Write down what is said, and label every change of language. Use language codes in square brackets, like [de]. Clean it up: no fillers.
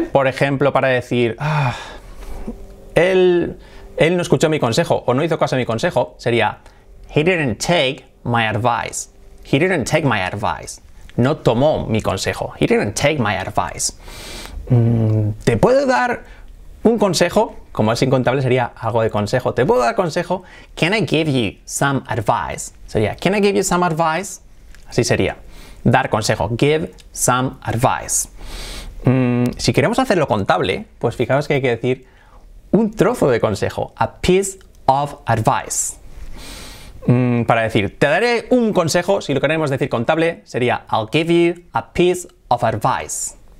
[es] Por ejemplo, para decir, él no escuchó mi consejo o no hizo caso a mi consejo, sería [en] he didn't take my advice, [es] he didn't take my advice. No tomó mi consejo, [en] he didn't take my advice. [es] ¿Te puedo dar un consejo? Como es incontable, sería algo de consejo. ¿Te puedo dar consejo? [en] Can I give you some advice? Sería, can I give you some advice? [es] Así sería, dar consejo, [en] give some advice. [es] Si queremos hacerlo contable, pues fijaos que hay que decir un trozo de consejo, [en] a piece of advice. [es] Para decir, te daré un consejo, si lo queremos decir contable, sería [en] I'll give you a piece of advice.